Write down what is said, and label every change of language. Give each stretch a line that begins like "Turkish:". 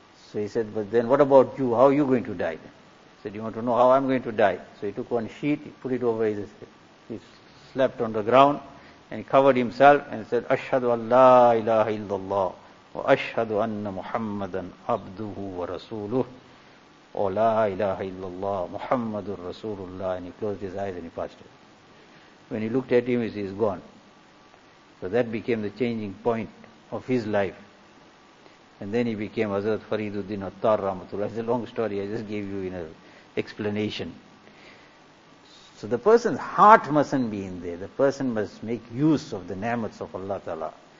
English: So he said, but then what about you? How are you going to die? He said, you want to know how I'm going to die? So he took one sheet, he put it over his head. He slept on the ground and covered himself and said,
Arabic: Ashhadu an la ilaha illallah. وأشهد أن محمدا عبده ورسوله ولا إله إلا الله محمد رسول الله.
English: And he closed his eyes and he passed away. When he looked at him, he is gone. So that became the changing point of his life. And then he became Hazrat Fariduddin Attar Rahmatullah. It's a long story, I just gave you in an explanation. So the person's heart mustn't be in there. The person must make use of the ni'mats of Allah Ta'ala.